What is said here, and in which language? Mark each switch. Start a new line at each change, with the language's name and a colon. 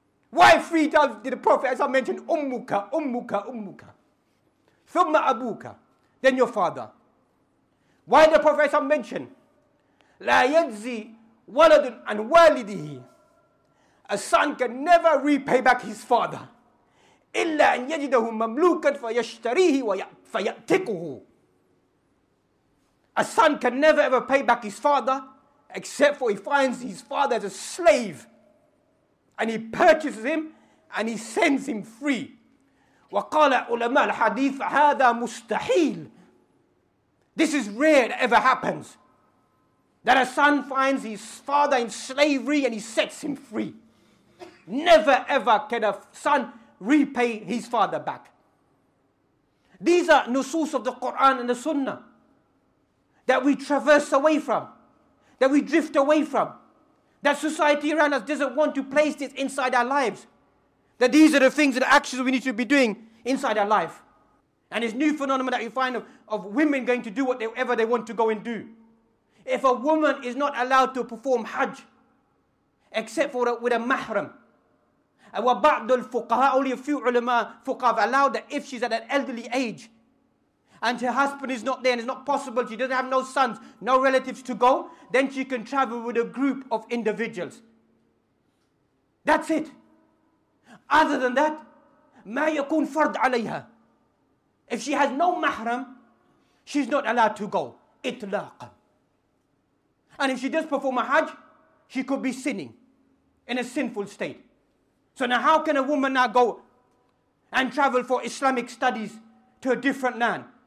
English: Why three times did the Prophet, as I mentioned, ummuka, ummuka, ummuka. Thumma abuka. Then your father. Why did the Prophet, as I mentioned, la yajzi waladun an walidihi. A son can never repay back his father.
Arabic: إلا أن يجده مملوكا فيشتريه فيأتقه.
English: A son can never ever pay back his father except for he finds his father as a slave and he purchases him and he sends him free.
Arabic: وقال علماء الحديث هذا مستحيل.
English: This is rare that ever happens, that a son finds his father in slavery and he sets him free. Never ever can a son repay his father back. These are nusus of the Quran and the Sunnah that we traverse away from, that we drift away from, that society around us doesn't want to place this inside our lives. That these are the things and actions we need to be doing inside our life. And this new phenomenon that you find of women going to do whatever they want to go and do. If a woman is not allowed to perform Hajj, except for with a mahram. وَبَعْضُ الْفُقَهَاءُ only a few ulama, fuqaha, have allowed that if she's at an elderly age and her husband is not there and it's not possible, she doesn't have no sons, no relatives to go, then she can travel with a group of individuals. That's it.
Arabic: Other than that, مَا يَكُونْ فَرْضْ عَلَيْهَا.
English: If she has no mahram, she's not allowed to go.
Arabic: إِطْلَاقًا.
English: And if she does perform a hajj, she could be sinning in a sinful state. So now how can a woman now go and travel for Islamic studies to a different land?